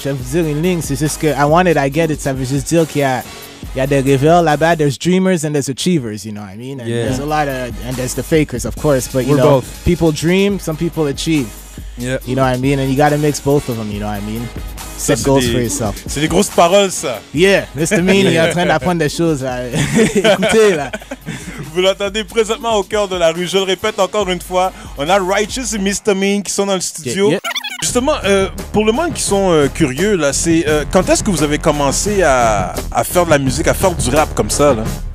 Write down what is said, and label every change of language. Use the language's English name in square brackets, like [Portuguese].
[French] Je vais vous dire une ligne, c'est juste que [English] I want it, I get it. [French] Ça veut juste dire qu'il y a... il y a des rêveurs là-bas, [English] there's dreamers and there's achievers, you know what I mean? Yeah. There's a lot of, and there's the fakers, of course, but you know, people dream, some people achieve. Yeah. You know what I mean? And you gotta mix both of them, you know what I mean? Set goals for yourself. [French] C'est des grosses paroles, ça. [English] Yeah, Mr. [French] Mean, il est en train d'apprendre des choses, là. Écoutez, là. Vous l'entendez présentement au cœur de la rue. Je le répète encore une fois, on a Righteous et Mr. Mean qui sont dans le studio. Yeah. Justement, pour le monde qui sont curieux, là, c'est quand est-ce que vous avez commencé à faire de la musique, à faire du rap comme ça, là?